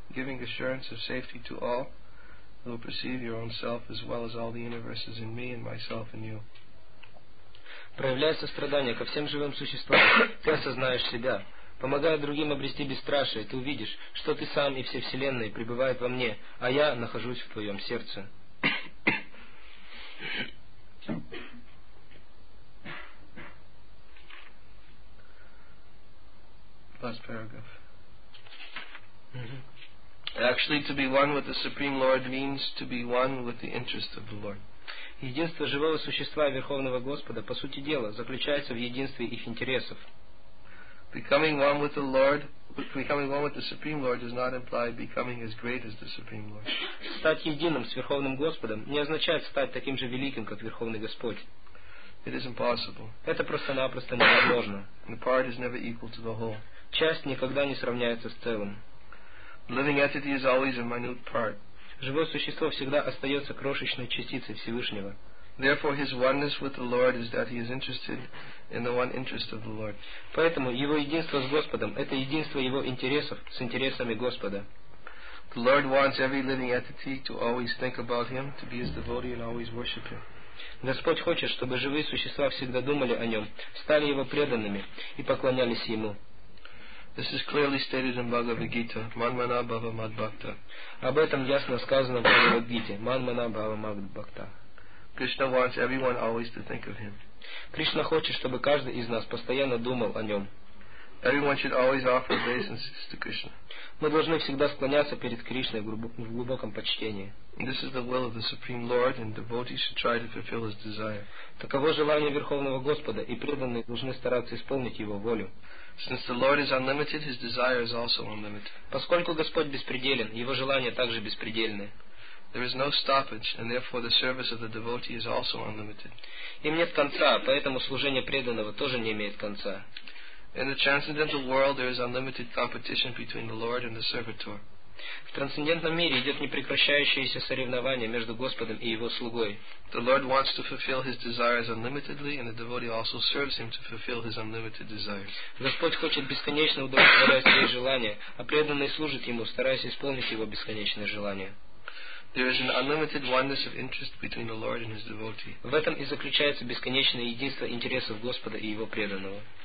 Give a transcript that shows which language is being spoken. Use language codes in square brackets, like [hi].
[en] Giving assurance of safety to all, you will perceive your own self as well as all the universes in me and myself in you. [ru] Проявляя сострадание ко всем живым существам, ты осознаешь себя. Помогая другим обрести бесстрашие, ты увидишь, что ты сам и все вселенные пребывают во мне, а я нахожусь в твоем сердце. [en] Last paragraph. Actually, to be one with the Supreme Lord means to be one with the interest of the Lord. [ru] Единство живого существа и Верховного Господа, по сути дела, заключается в единстве их интересов. [en] Becoming one with the Lord, becoming one with the Supreme Lord does not imply becoming as great as the Supreme Lord. [ru] Стать единым с Верховным Господом не означает стать таким же великим, как Верховный Господь. [en] It is impossible. [ru] Это просто-напросто невозможно. [en] The part is never equal to the whole. [ru] Часть никогда не сравняется с целым. [en] Living entity is always a minute part. [ru] Живое существо всегда остается крошечной частицей Всевышнего. [en] Therefore, his oneness with the Lord is that he is interested in the one interest of the Lord. [ru] Поэтому его единство с Господом — это единство его интересов с интересами Господа. [en] The Lord wants every living entity to always think about him, to be his devotee and always worship him. [ru] Господь хочет, чтобы живые существа всегда думали о нем, стали его преданными и поклонялись ему. [en] This is clearly stated in Bhagavad Gita, [sa] Manmana Bhava Mad Bhakta. [ru] Об этом ясно сказано в Бхагавад Гите, [sa] Манмана Бхава Мад Бхакта. [en] Krishna wants everyone always to think of him. [ru] Кришна хочет, чтобы каждый из нас постоянно думал о нем. [en] Everyone should always offer obeisances to Krishna. [ru] Мы должны всегда склоняться перед Кришной в глубоком почтении. [en] This is the will of the Supreme Lord, and devotees should try to fulfill his desire. [ru] Таково желание Верховного Господа, и преданные должны стараться исполнить его волю. [en] Since the Lord is unlimited, his desire is also unlimited. [ru] Поскольку Господь беспределен, его желания также беспредельны. [en] There is no stoppage, and therefore the service of the devotee is also unlimited. [ru] Им нет конца, поэтому служение преданного тоже не имеет конца. [en] In the transcendental world, there is unlimited competition between the Lord and the servitor. [ru] В трансцендентном мире идет непрекращающееся соревнование между Господом и его слугой. [en] The Lord wants to fulfill his desires unlimitedly, and the devotee also serves him to fulfill his unlimited desires. [ru] Господь хочет бесконечно удовлетворять свои желания, а преданный служит ему, стараясь исполнить его бесконечное желание. [en] There is an unlimited oneness of interest between the Lord and his devotee. [ru] В этом и заключается бесконечное единство интересов Господа и его преданного.